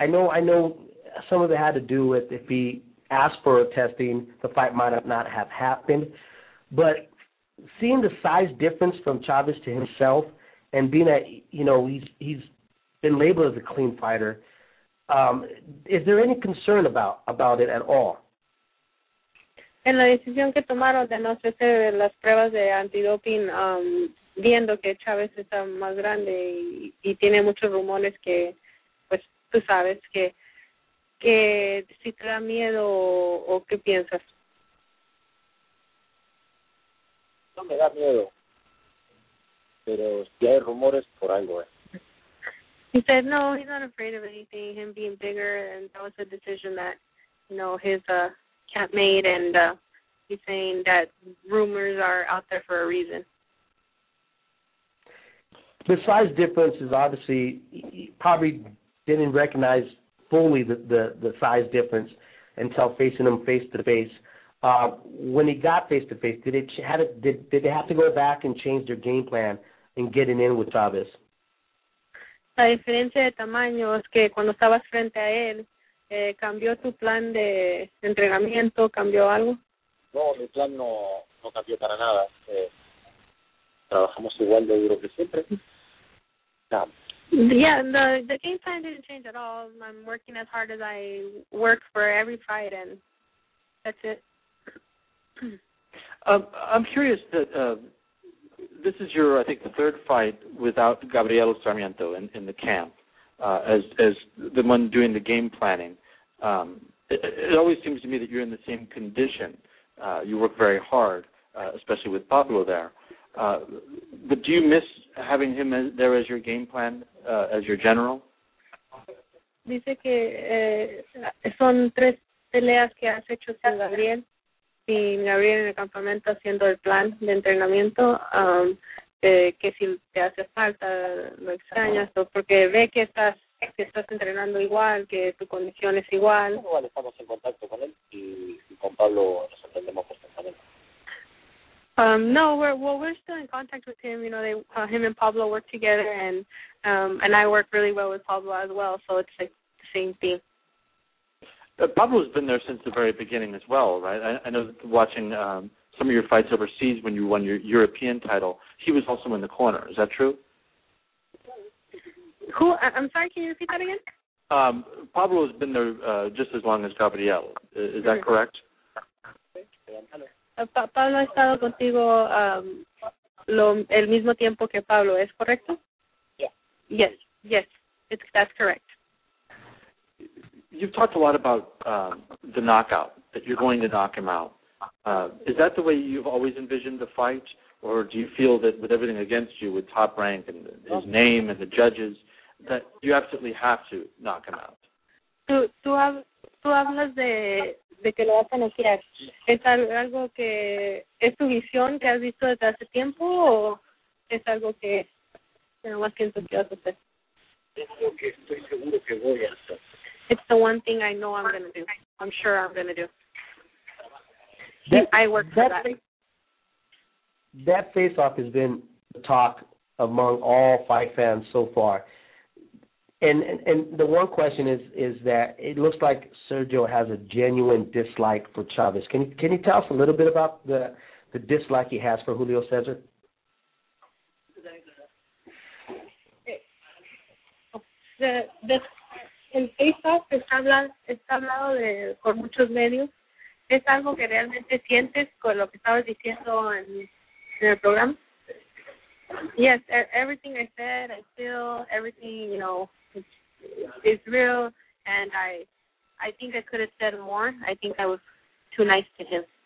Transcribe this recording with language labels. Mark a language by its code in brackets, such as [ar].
[en] I know some of it had to do with if he asked for a testing, the fight might not have happened. But seeing the size difference from Chávez to himself and being that, you know, he's been labeled as a clean fighter, is there any concern about it at all? [es] En la decisión que tomaron de no hacer las pruebas de antidoping, viendo que Chávez está más grande y tiene muchos rumores que, pues, tú sabes que si te da miedo o qué piensas. No me da miedo, pero si hay rumores, por algo. [en] He said, no, he's not afraid of anything, him being bigger, and that was a decision that, you know, his camp made, and he's saying that rumors are out there for a reason. The size difference is obviously, he probably didn't recognize fully the size difference until facing him face to face. When he got face to face, did they have to go back and change their game plan in getting in with Chávez? [es] La diferencia de tamaño es que cuando estabas frente a él, ¿cambió tu plan de entrenamiento? ¿Cambió algo? No, mi plan no cambió para nada. Trabajamos igual de duro que siempre. [en] Yeah, the game plan didn't change at all. I'm working as hard as I work for every fight, and that's it. I'm curious that this is your, I think, the third fight without Gabriel Sarmiento in the camp as the one doing the game planning. It always seems to me that you're in the same condition. You work very hard, especially with Pablo there. But do you miss having him there as your game plan, as your general? [es] Dice que son tres peleas que has hecho sin Gabriel en el campamento haciendo el plan de entrenamiento, que si te hace falta, lo extrañas, porque ve que estás entrenando igual, que tu condición es igual. Bueno, estamos en contacto con él y con Pablo nos entendemos perfectamente. [en] No, we're still in contact with him. You know, him and Pablo work together, and I work really well with Pablo as well. So it's like the same thing. Pablo's been there since the very beginning as well, right? I know that watching some of your fights overseas when you won your European title, he was also in the corner. Is that true? Who? I'm sorry. Can you repeat that again? Pablo has been there just as long as Gabriel. Is that correct? [es] Pablo ha estado contigo el mismo tiempo que Pablo, ¿es correcto? [en] Yeah. Yes, that's correct. You've talked a lot about the knockout, that you're going to knock him out. Is that the way you've always envisioned the fight, or do you feel that with everything against you, with Top Rank and his name and the judges, that you absolutely have to knock him out? [es] Tú hablas de que lo vas a noquear. ¿Es algo que es tu visión que has visto desde hace tiempo o es algo que no más siento que vas a hacer? Es lo que estoy seguro que voy a hacer. [en] It's the one thing I know I'm going to do. I'm sure I'm going to do. I work for that face-off has been the talk among all fight fans so far. And the one question is that it looks like Sergio has a genuine dislike for Chávez. Can you tell us a little bit about the dislike he has for Julio Cesar? The [es] el face-off está hablado de por muchos medios. ¿Es algo que realmente sientes con lo que estabas diciendo en el programa? [en] Yes, everything I said, I feel everything, you know, is real, and I think I could have said more. I think I was too nice to him.